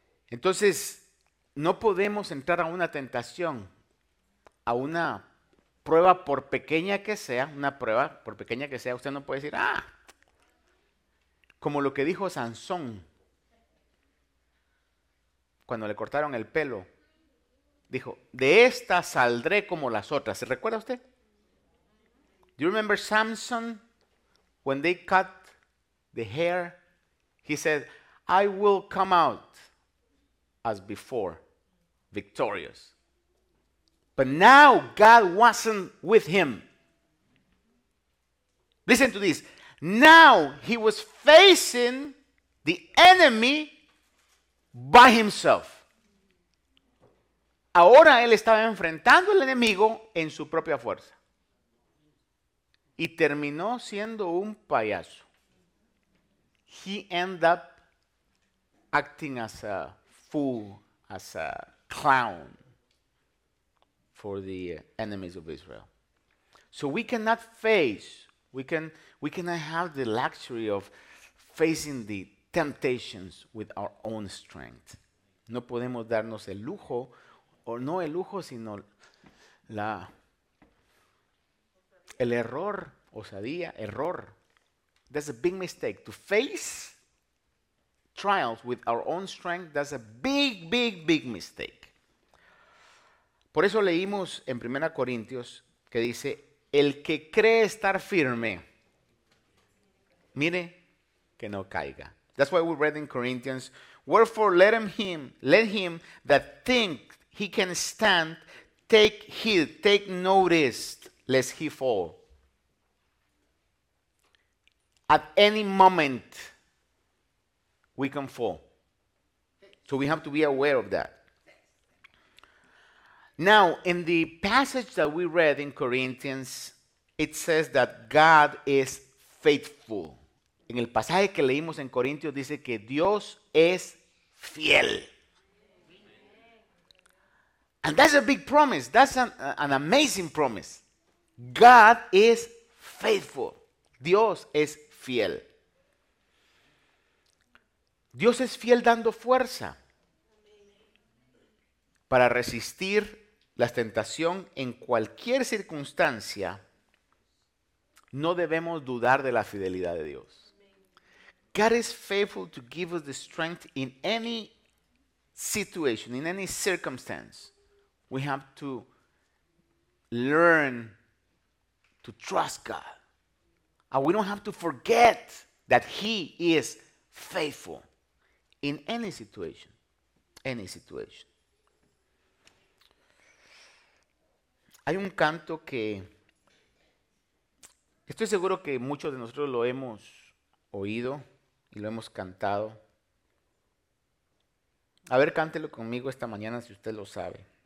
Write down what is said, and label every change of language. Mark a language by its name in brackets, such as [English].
[Spanish] Entonces, no podemos entrar a una tentación, a una prueba por pequeña que sea, una prueba por pequeña que sea, usted no puede decir, ah, como lo que dijo Sansón, cuando le cortaron el pelo, dijo, de esta saldré como las otras. ¿Se recuerda usted? [English] Do you remember Samson? When they cut the hair, he said, I will come out as before, victorious. But now God wasn't with him. Listen to this. Now he was facing the enemy by himself. [Spanish] Ahora él estaba enfrentando al enemigo en su propia fuerza. Y terminó siendo un payaso. [English] He ended up acting as a fool, as a clown for the enemies of Israel. So we cannot face, we cannot have the luxury of facing the temptations with our own strength. [Spanish] No podemos darnos el lujo, o no el lujo, sino la, el error, osadía, error. [English] That's a big mistake. To face trials with our own strength, that's a big, big, big mistake. [Spanish] Por eso leímos en 1 Corintios que dice, el que cree estar firme, mire que no caiga. [English] That's why we read in Corinthians, wherefore let him that think he can stand, take heed, take notice, lest he fall. At any moment, we can fall. So we have to be aware of that. Now, in the passage that we read in Corinthians, it says that God is faithful. [Spanish] En el pasaje que leímos en Corintios dice que Dios es fiel. [English] And that's a big promise. That's an amazing promise. God is faithful. [Spanish] Dios es fiel. Dios es fiel dando fuerza para resistir la tentación en cualquier circunstancia. No debemos dudar de la fidelidad de Dios. [English] God is faithful to give us the strength in any situation, in any circumstance. We have to learn to trust God. And we don't have to forget that He is faithful in any situation, any situation. [Spanish] Hay un canto que estoy seguro que muchos de nosotros lo hemos oído. Y lo hemos cantado. A ver, cántelo conmigo esta mañana si usted lo sabe.